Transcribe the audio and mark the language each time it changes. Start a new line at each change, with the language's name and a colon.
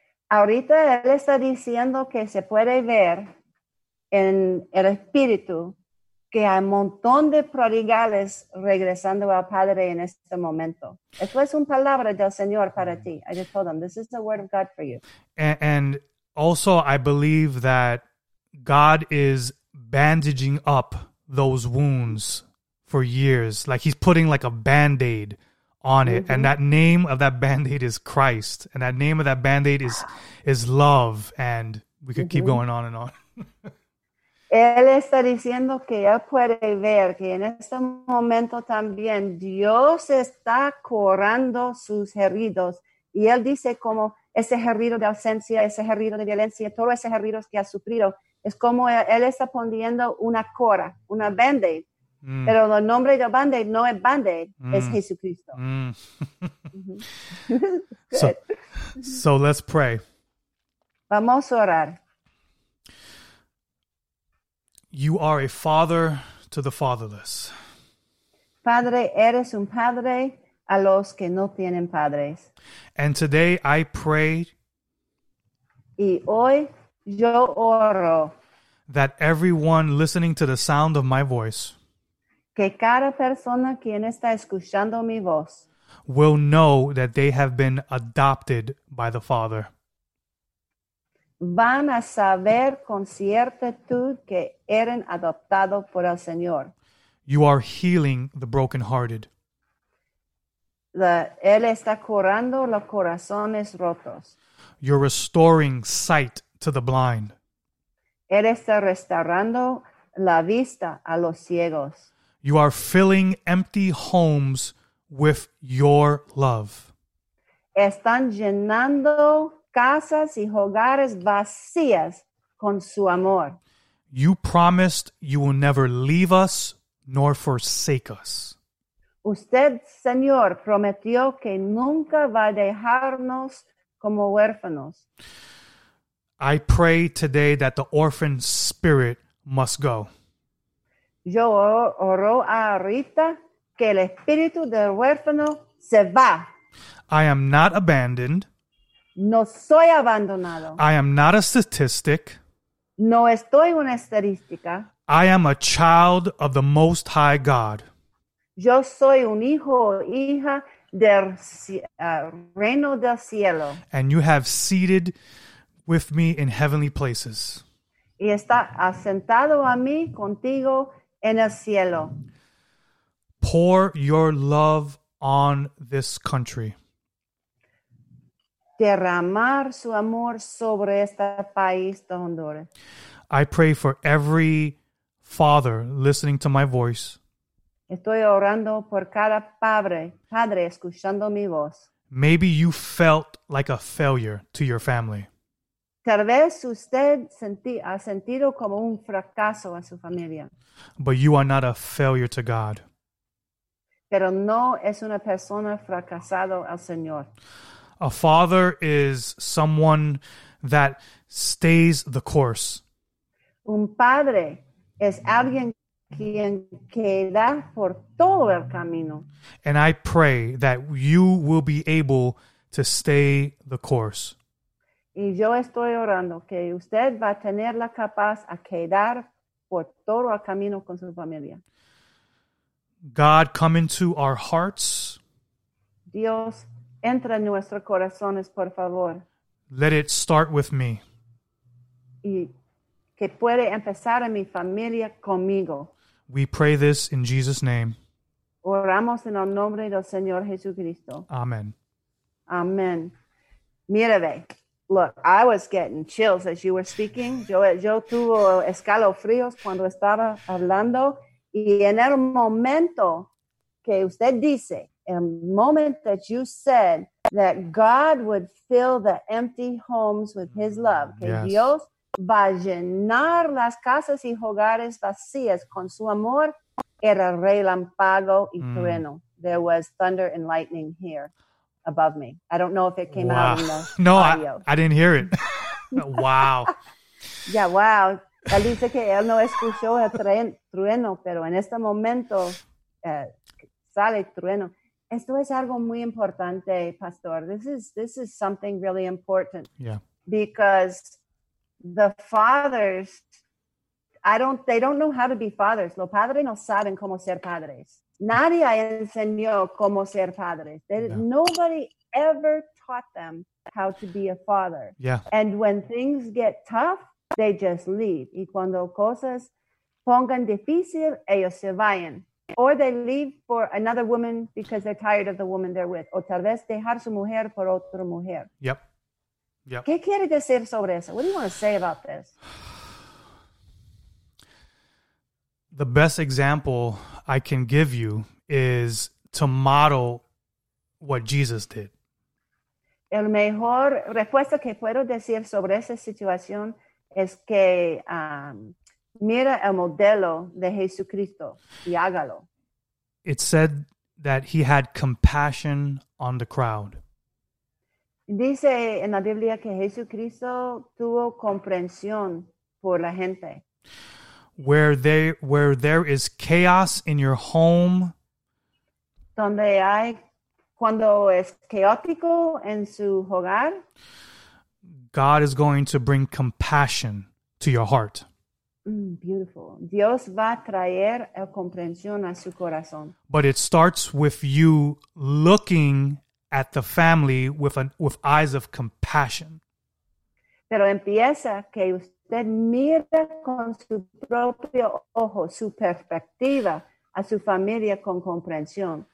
Spanish: Ahorita él está diciendo que se puede ver en el espíritu que hay un montón de prodigales regresando al Padre en este momento. Esto es una palabra del Señor para ti.
English: I just told him, this is the word of God for you. And also, I believe that God is bandaging up those wounds for years. Like he's putting like a Band-Aid on it. Mm-hmm. And that name of that Band-Aid is Christ. And that name of that Band-Aid is love. And we could keep going on and on.
Spanish: Él está diciendo que él puede ver que en este momento también Dios está curando sus heridos. Y él dice como ese herido de ausencia, ese herido de violencia, todos esos heridos que ha sufrido. Es como él está poniendo una cora, una Band-Aid. Mm. Pero el nombre de Band-Aid no es Band-Aid, es Jesucristo.
English: Mm. Good. So let's pray.
Spanish: Vamos a orar.
English: You are a father to the fatherless.
Spanish: Padre, eres un padre a los que no tienen padres.
English: And today I pray.
Spanish: Y hoy yo oro.
English: That everyone listening to the sound of my voice.
Spanish: Que cada persona quien está escuchando mi voz.
English: Will know that they have been adopted by the Father.
Spanish: Van a saber con ciertitud que eran adoptados por el Señor.
English: You are healing the brokenhearted.
Spanish: Él está curando los corazones rotos.
English: You're restoring sight to the blind.
Spanish: Él está restaurando la vista a los ciegos.
English: You are filling empty homes with your love.
Spanish: Están llenando casas y hogares vacías con su amor.
English: You promised you will never leave us nor forsake us.
Spanish: Usted, Señor, prometió que nunca va a dejarnos como huérfanos.
English: I pray today that the orphan spirit must go.
Spanish: Yo oro ahorita que el espíritu del huérfano se va.
English: I am not abandoned.
Spanish: No soy abandonado.
English: I am not a statistic.
Spanish: No estoy una estadística.
English: I am a child of the Most High God.
Spanish: Yo soy un hijo o hija del reino del cielo.
English: And you have seated with me in heavenly places.
Spanish: Y está asentado a mí contigo en el cielo.
English: Pour your love on this country.
Spanish: Derramar su amor sobre este país de Honduras.
English: I pray for every father listening to my voice.
Spanish: Estoy orando por cada padre escuchando mi voz.
English: Maybe you felt like a failure to your family.
Spanish: Tal vez usted ha sentido como un fracaso a su familia.
English: But you are not a failure to God.
Spanish: Pero no es una persona fracasado al Señor.
English: A father is someone that stays the course.
Spanish: Un padre es alguien quien queda por todo el camino.
English: And I pray that you will be able to stay the course.
Spanish: Y yo estoy orando que usted va a tener la capaz a quedar por todo el camino con su familia.
English: God, come into our hearts.
Spanish: Dios, entra en nuestros corazones, por favor.
English: Let it start with me.
Spanish: Y que puede empezar en mi familia conmigo.
English: We pray this in Jesus' name.
Spanish: Oramos en el nombre del Señor Jesucristo.
English: Amen.
Spanish: Amen. Mira, ve.
English: Look, I was getting chills as you were speaking.
Spanish: Yo tuvo escalofríos cuando estaba hablando. Y en el momento que usted dice,
English: a moment that you said that God would fill the empty homes with his love.
Spanish: Que
English: yes.
Spanish: Dios va a llenar las casas y hogares vacías con su amor. Era relámpago y trueno.
English: There was thunder and lightning here above me. I don't know if it came out in the no, audio. I didn't hear it. Wow. Yeah, wow.
Spanish: Él dice que él no escuchó el trueno, pero en este momento sale trueno. Esto es algo muy importante, Pastor.
English: This is something really important. Yeah. Because the fathers, they don't know how to be fathers.
Spanish: Los padres no saben cómo ser padres. Nadie enseñó cómo ser padres.
English: Nobody ever taught them how to be a father. Yeah. And when things get tough, they just leave.
Spanish: Y cuando cosas pongan difícil, ellos se vayan.
English: Or they leave for another woman because they're tired of the woman they're with.
Spanish: O tal vez dejar su mujer por otra mujer.
English: Yep.
Spanish: ¿Qué quiere decir sobre eso?
English: What do you want to say about this? The best example I can give you is to model what Jesus did.
Spanish: El mejor respuesta que puedo decir sobre esa situación es que mira el modelo de Jesucristo y hágalo.
English: It said that he had compassion on the crowd.
Spanish: Dice en la Biblia que Jesucristo tuvo comprensión por la gente.
English: Where there is chaos in your home.
Spanish: Donde hay, cuando es caótico en su hogar.
English: God is going to bring compassion to your heart. Beautiful.
Spanish: Dios va a traer la comprensión a su corazón.
English: But it starts with you looking at the family with eyes of compassion.
Spanish: Pero empieza que usted mira con su propio ojo, su perspectiva, a su familia con comprensión.